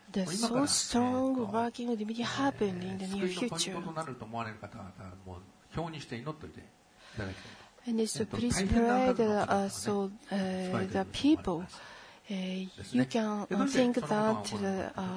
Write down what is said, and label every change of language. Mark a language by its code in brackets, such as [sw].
[en] The so strong working will be happened in the near future. [ja] 救いのポイントとなると思われる方々はもう表にして祈っておいていただきたい。 [en] And so please pray that so the people you can think that